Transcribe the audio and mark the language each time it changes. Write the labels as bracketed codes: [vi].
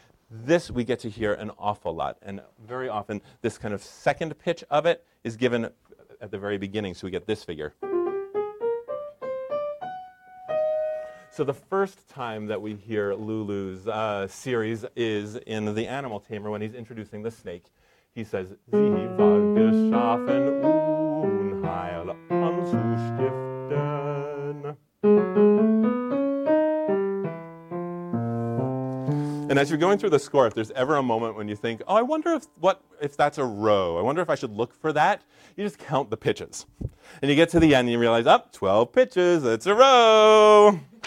[en] This we get to hear an awful lot. And very often, this kind of second pitch of it is given at the very beginning, so we get this figure. So the first time that we hear Lulu's series is in The Animal Tamer when he's introducing the snake. He says, [de] Sie war geschaffen unheil anzustiften. [en] And as you're going through the score, if there's ever a moment when you think, oh, I wonder if that's a row, I wonder if I should look for that, you just count the pitches. And you get to the end and you realize, oh, 12 pitches, it's a row.